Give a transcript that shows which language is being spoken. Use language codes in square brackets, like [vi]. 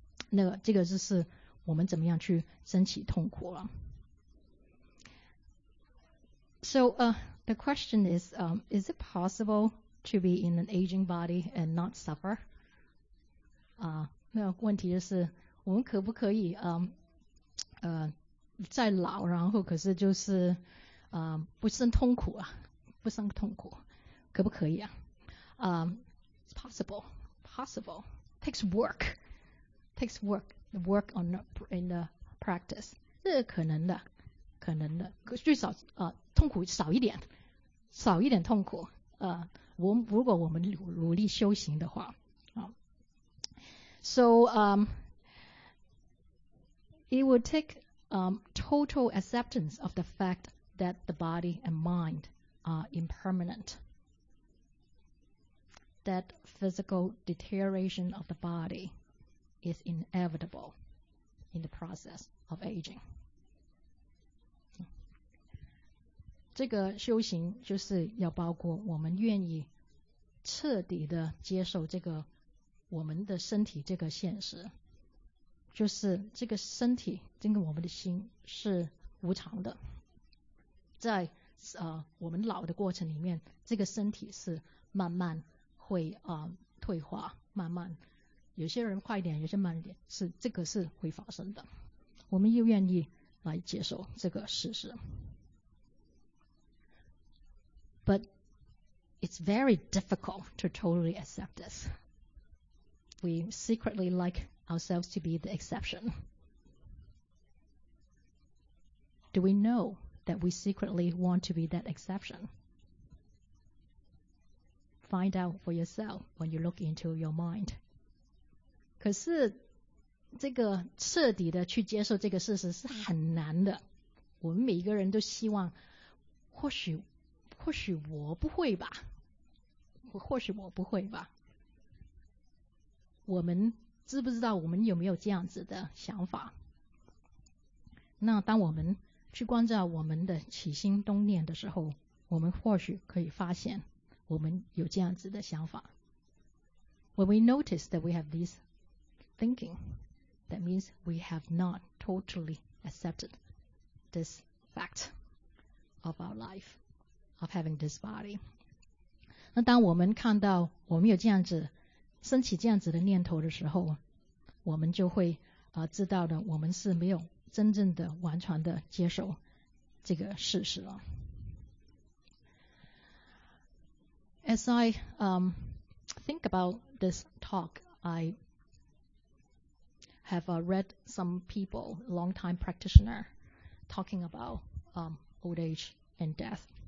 [zh] 那个这个就是我们怎么样去升起痛苦了。 [en] So the question is it possible to be in an aging body and not suffer? [zh] 那个问题就是我们可不可以在老，然后可是就是不生痛苦啊，不生痛苦，可不可以啊？ [en] Possible takes work work on in the practice, [zh] 这是可能的，可能的，至少痛苦少一点，少一点痛苦，我如果我们努力修行的话， [en] So, it would take total acceptance of the fact that the body and mind are impermanent. That physical deterioration of the body is inevitable in the process of aging. [zh] 这个修行就是要包括我们愿意彻底的接受这个我们的身体这个现实，就是这个身体跟我们的心是无常的，在我们老的过程里面，这个身体是慢慢会退化，慢慢有些人快一点，有些慢一点，是这个是会发生的，我们又愿意来接受这个事实。 [en] But it's very difficult to totally accept this. We secretly like ourselves to be the exception. Do we know that we secretly want to be that exception? Find out for yourself when you look into your mind. [zh] 可是这个彻底的去接受这个事实是很难的。我们每一个人都希望或许我不会吧。或许我不会吧。我们知不知道我们有没有这样子的想法？那当我们去关照我们的起心动念的时候，我们或许可以发现我们有这样子的想法。 [en] When we notice that we have this thinking, that means we have not totally accepted this fact of our life, of having this body. [zh] 那当我们看到我们有这样子升起这样子的念头的时候，我们就会知道的，我们是没有真正的完全的接受这个事实了。 [en] As I think about this talk, I have read some people, long-time practitioner, talking about old age and death.